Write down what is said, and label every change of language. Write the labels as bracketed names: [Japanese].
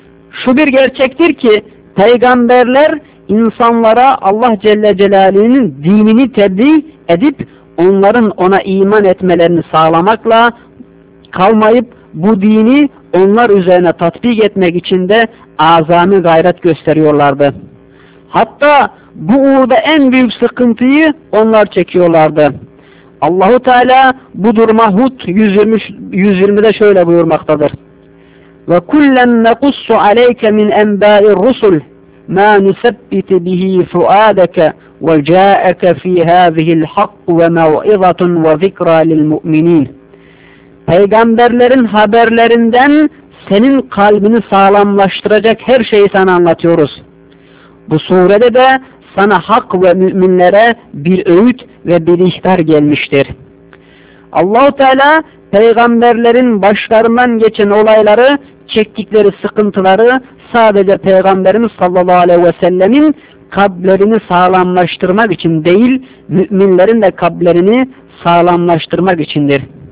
[Turkish] Şu bir gerçektir ki peygamberler İnsanlara Allah Celle Celaluhu'nun dinini tebliğ edip onların ona iman etmelerini sağlamakla kalmayıp bu dini onlar üzerine tatbik etmek için de azami gayret gösteriyorlardı. Hatta bu uğurda en büyük sıkıntıyı onlar çekiyorlardı. Allah-u Teala bu duruma Hud 120'de şöyle buyurmaktadır. [Arabic] وَكُلَّنْ نَقُصُّ عَلَيْكَ مِنْ اَنْبَاءِ الرُّسُلِ مَا نُثَبِّتِ بِهِ فُؤَادَكَ وَجَاءَكَ ف۪ي هَذِهِ الْحَقُّ وَمَوْئِضَةٌ وَذِكْرًا لِلْمُؤْمِنِينَ [Turkish] Peygamberlerin haberlerinden senin kalbini sağlamlaştıracak her şeyi sana anlatıyoruz. Bu surede de sana hak ve müminlere bir öğüt ve bir ihtar gelmiştir. Allah-u Teala peygamberlerin başlarından geçen olayları, çektikleri sıkıntıları sadece Peygamberimiz sallallahu aleyhi ve sellemin kalplerini sağlamlaştırmak için değil, müminlerin de kalplerini sağlamlaştırmak içindir.